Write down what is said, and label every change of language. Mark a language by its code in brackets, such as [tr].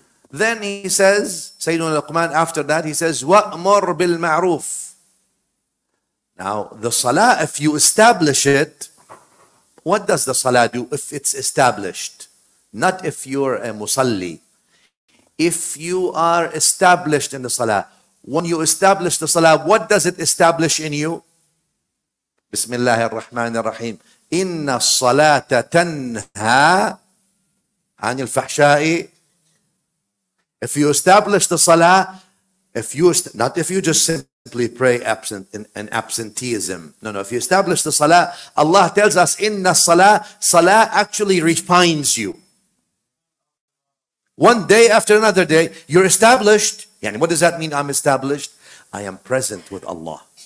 [en] Then he says, Sayyidina Luqman, after that he says, [ar] وَأْمُرْ بِالْمَعْرُوفِ [en] Now, the salah, if you establish it, what does the salah do if it's established? Not if you're a musalli. If you are established in the salah, when you establish the salah, what does it establish in you? [ar] بسم الله الرحمن الرحيم إن الصلاة تنهى عن الفحشاء [en] If you establish the salah, if you not if you just simply pray absent in absenteeism. No, if you establish the salah, Allah tells us inna salah, salah actually refines you. One day after another day, you're established. And what does that mean? I'm established. I am present with Allah.